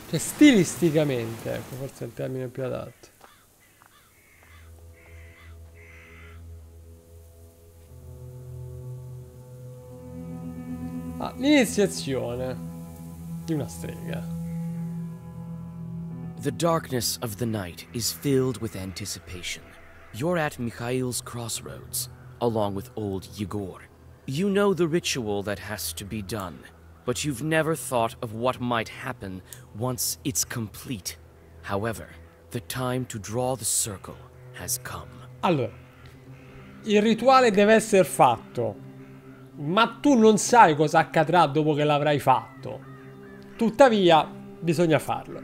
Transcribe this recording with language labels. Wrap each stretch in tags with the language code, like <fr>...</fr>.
<it>Cioè stilisticamente, ecco, forse è il termine più adatto. Ah, l'iniziazione di una strega.</it> <en>The darkness of the night is filled with anticipation. You're at Mikhail's crossroads, along with Old Yegor. You know the ritual that has to be done, but you've never thought of what might happen once it's complete. However, The time to draw the circle has come.</en> <it>Allora, il rituale deve essere fatto, ma tu non sai cosa accadrà dopo che l'avrai fatto. Tuttavia, bisogna farlo.</it>